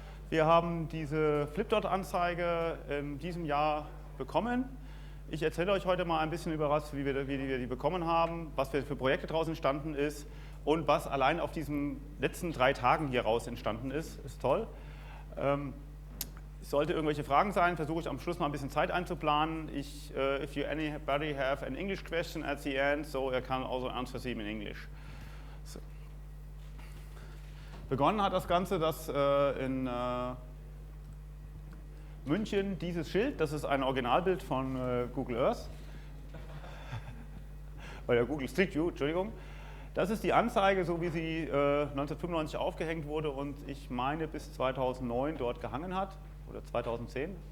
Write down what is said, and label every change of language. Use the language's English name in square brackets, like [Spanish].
[German] Wir haben diese Flipdot-Anzeige in diesem Jahr bekommen. Ich erzähle euch heute mal ein bisschen über was, wie wir die bekommen haben, was für Projekte draus entstanden ist und was allein auf diesen letzten 3 Tagen hier raus entstanden ist. Ist toll. Sollte irgendwelche Fragen sein, versuche ich am Schluss mal ein bisschen Zeit einzuplanen. [English] If you anybody have an English question at the end, so I can also answer them in English. [German] So. Begonnen hat das Ganze, dass in München dieses Schild, das ist ein Originalbild von Google Earth, bei der Google Street View, Entschuldigung. Das ist die Anzeige, so wie sie 1995 aufgehängt wurde und ich meine bis 2009 dort gehangen hat. Oder 2010.